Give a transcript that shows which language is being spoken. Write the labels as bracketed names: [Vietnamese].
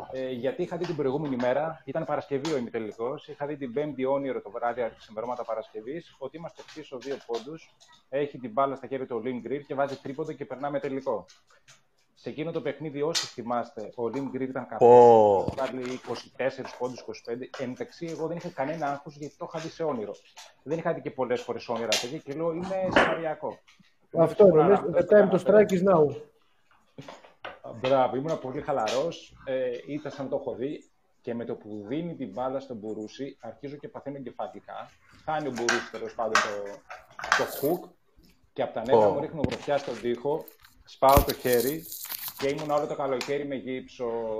[Greek] Γιατί είχα δει την προηγούμενη μέρα, ήταν Παρασκευή ο ημιτελικός, είχα δει την Πέμπτη όνειρο το βράδυ, ξημερώματα Παρασκευής, ότι είμαστε πίσω 2 πόντους, έχει την μπάλα στα χέρια του ο Λιμ Γκριρ και βάζει τρίποντο και περνάμε τελικό. Σε εκείνο το παιχνίδι, όσοι θυμάστε, ο Λιμ Γκριρ ήταν καθώς, βάλει 24 πόντους, 25. Εντάξει, εγώ δεν είχα κανένα άγχος γιατί το είχα δει σε όνειρο. Δεν είχα δει και πολλές φορές όνειρα τέτοια και λέω είναι σαριακό. Αυτό είναι, [English] the time to strike is now. [Greek] Μπράβο, ήμουν πολύ χαλαρός, ήταν σαν το έχω δει και με το που δίνει την μπάλα στον Μπουρούση αρχίζω και παθαίνω εγκεφαλικά, χάνει ο Μπουρούση τέλος πάντων το hook και από τα νέα μου ρίχνω γροθιά στον τοίχο, σπάω το χέρι και ήμουν όλο το καλοκαίρι με γύψο.